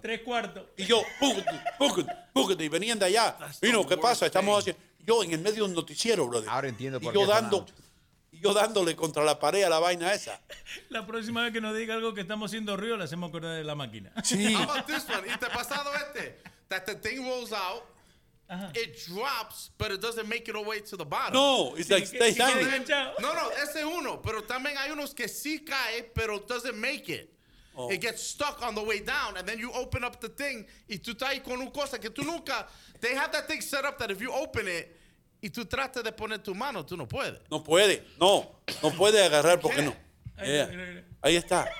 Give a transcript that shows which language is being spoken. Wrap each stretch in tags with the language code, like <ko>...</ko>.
<es>Tres cuartos. Y yo, pucut, y venían de allá. Vino, ¿qué pasa? Estamos haciendo. Yo en el medio de un noticiero, brother. Ahora entiendo por qué. Yo dándole contra la pared a la vaina esa. La próxima vez que nos diga algo que estamos haciendo ruido, le hacemos acordar de la máquina. Sí.</es> <en>How about this one?</en> <es>¿Y te ha pasado este?</es> <en>That the thing rolls out, it drops, but it doesn't make it all the way to the bottom. No, it's like stay silent.</en> <es>No, no, ese es uno. Pero también hay unos que sí cae, pero</es> <en>doesn't make it. Oh. It gets stuck on the way down, and then you open up the thing,</en> <es>y tú estás ahí con un cosa que tú nunca...</es> <en>They have that thing set up that if you open it,</en> <es>y tú tratas de poner tu mano, tú no puedes. No puede, no puede agarrar, porque no. Yeah. Ahí está.</es>